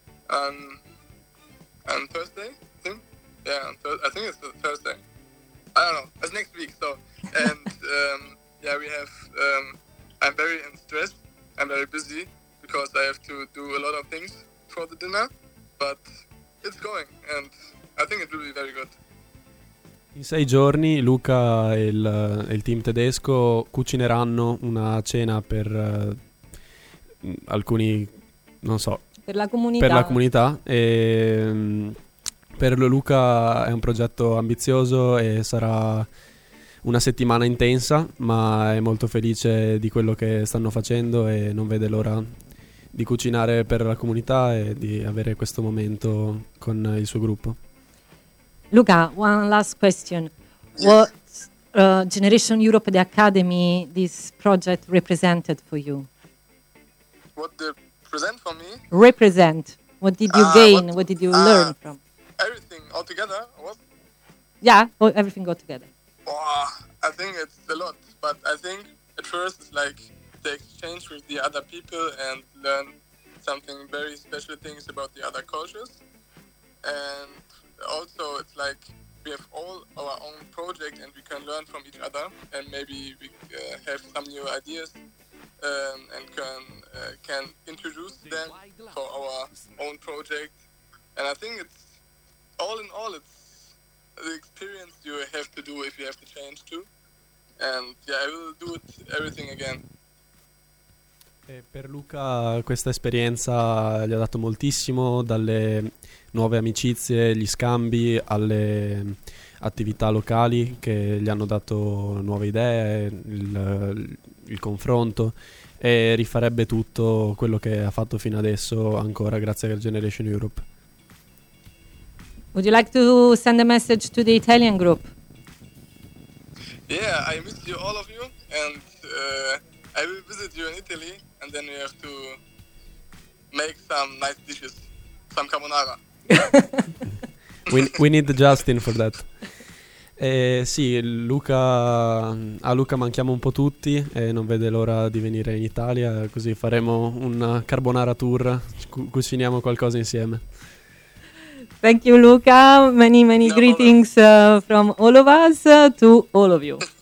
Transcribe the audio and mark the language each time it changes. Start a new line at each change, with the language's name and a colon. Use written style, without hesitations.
English: On Thursday, I think. Yeah, I think it's Thursday. I don't know. It's next week. So and we have. I'm very in stress. I'm very busy because I have to do a lot of things for the dinner. But it's going, and I think it will be very good.
Italian: In 6 giorni Luca e il team tedesco cucineranno una cena per alcuni, non so, per la comunità. Per la comunità. E, per Luca è un progetto ambizioso e sarà una settimana intensa, ma è molto felice di quello che stanno facendo e non vede l'ora di cucinare per la comunità e di avere questo momento con il suo gruppo.
English: Luca, one last question. What Generation Europe, the Academy, this project represented for you? What did present for me? Represent. What did you gain? What did you learn from? Everything all together. What? Yeah, all, everything got together. I think it's a lot, but I think at first it's like the exchange with the other people and learn something very special things about the other cultures. And also it's like we have all our own project and we can learn from each other and maybe we have some new ideas and can introduce them for our own project. And I think it's all in all, it's the experience you have to do if you have to change too. And yeah, I will do it everything again.
Italian: E per Luca questa esperienza gli ha dato moltissimo, dalle nuove amicizie, gli scambi, alle attività locali che gli hanno dato nuove idee, il confronto, e rifarebbe tutto quello che ha fatto fino adesso ancora grazie al Generation Europe.
English: Would you like to send a message to the Italian group? Yeah, I miss you, all of you, and I will visit you in Italy. And then we have to make some nice dishes, some carbonara. We need Justin for that.
Italian: Sì, Luca, a Luca manchiamo un po' tutti e non vede l'ora di venire in Italia, così faremo una carbonara tour, cuciniamo qualcosa insieme.
English: Thank you, Luca. Many greetings from all of us to all of you.